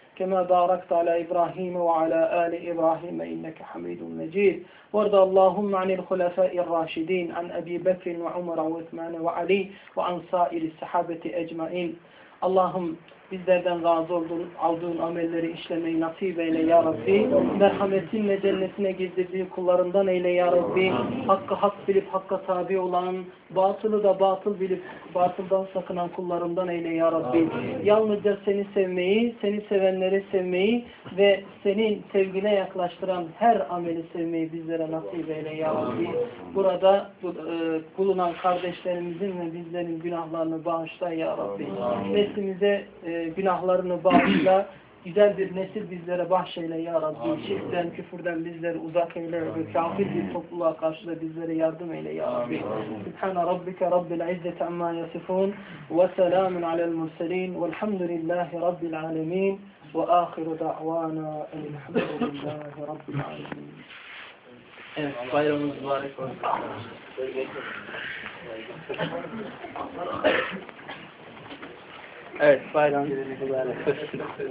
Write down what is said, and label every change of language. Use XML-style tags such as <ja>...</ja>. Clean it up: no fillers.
<ar>كما باركت على إبراهيم وعلى آل إبراهيم إنك حميد مجيد وارض اللهم عن الخلفاء الراشدين عن أبي بكر وعمر وعثمان وعلي وعن سائر الصحابة أجمعين اللهم</ar> <tr>bizlerden razı olduğun, aldığın amelleri işlemeyi nasip eyle ya Rabbi. Merhametinle cennetine girdirdiğin kullarından eyle ya Rabbi. Hakkı hak bilip hakka tabi olan, batılı da batıl bilip batıldan sakınan kullarından eyle ya Rabbi. Yalnızca seni sevmeyi, seni sevenleri sevmeyi ve senin sevgine yaklaştıran her ameli sevmeyi bizlere nasip eyle ya Rabbi. Burada bulunan kardeşlerimizin ve bizlerin günahlarını bağışla ya Rabbi. Neslimize günahlarını bağışla, güzel bir nesil bizlere bahşeyle ya Rabbi. Şirkten, küfürden bizleri uzak eyle ve kafir bir topluluğa karşı da bizlere yardım eyle ya Rabbi.</tr> <ar>Sübhane Rabbike Rabbil İzzeti Amma Yasifun ve Selamun Alel Murselin Velhamdülillahi Rabbil Alemin. وآخر دعوانا أن الحمد لله رب العالمين.</ar> <tr>Evet, bayramımız mübarek olsun. Evet, bayramımız mübarek olsun.</tr>